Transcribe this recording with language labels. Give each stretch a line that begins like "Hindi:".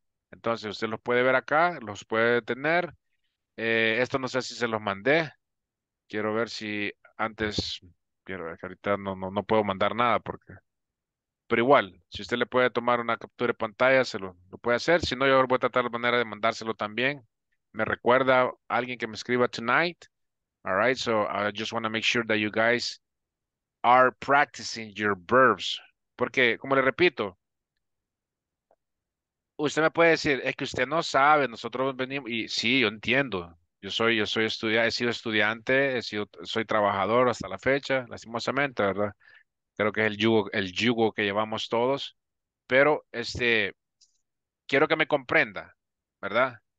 Spanish: Entonces, usted los puede ver acá, los puede tener. Esto no sé si se los mandé. Quiero ver si antes, quiero ver que ahorita no puedo mandar nada porque. Pero igual, si usted le puede tomar una captura de pantalla, se lo puede hacer. Si no, yo voy a tratar la manera de mandárselo también. Me recuerda alguien que me escriba tonight.
English: All right, so I just want to make sure that you guys are practicing your verbs.
Spanish: Porque, como le repito, usted me puede decir, es que usted no sabe, nosotros venimos, y sí, yo entiendo. Yo soy estudiante, soy trabajador hasta la fecha, lastimosamente, ¿verdad? Creo que es el yugo que llevamos todos. Pero, quiero que me comprenda, ¿verdad?